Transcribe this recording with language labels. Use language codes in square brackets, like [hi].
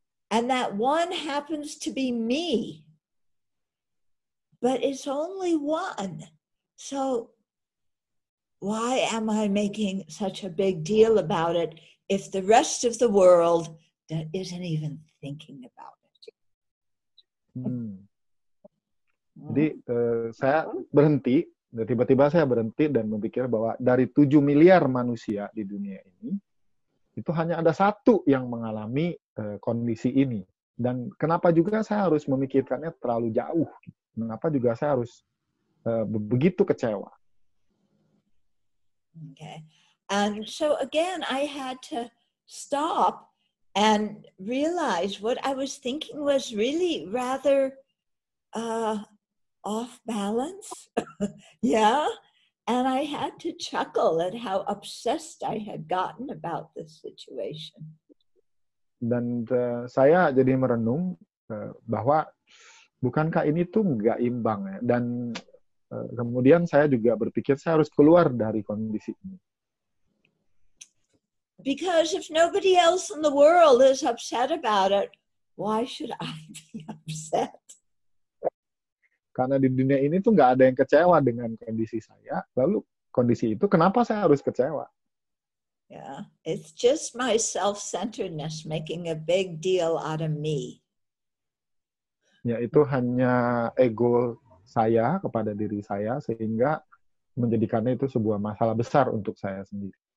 [en] And that one happens to be me. But it's only one. So why am I making such a big deal about it if the rest of the world isn't even thinking about it? [id] Jadi saya berhenti, tiba-tiba saya berhenti dan memikir bahwa dari 7 miliar manusia di dunia ini, itu hanya ada satu yang mengalami kondisi ini. Dan kenapa juga saya harus memikirkannya terlalu jauh? Kenapa juga saya harus begitu kecewa? [en] Okay. And so again, I had to stop and realize what I was thinking was really rather off balance. Yeah. And I had to chuckle at how obsessed I had gotten about this situation. [id] Dan saya jadi merenung bahwa bukankah ini tuh nggak imbang ya? Dan kemudian saya juga berpikir saya harus keluar dari kondisi ini. [en] Because if nobody else in the world is upset about it, why should I be upset? [id] Karena di dunia ini tuh nggak ada yang kecewa dengan kondisi saya. Lalu kondisi itu kenapa saya harus kecewa? [en] Yeah, it's just my self-centeredness making a big deal out of me. [id] Ya, itu hanya ego saya kepada diri saya sehingga menjadikannya itu sebuah masalah besar untuk saya sendiri.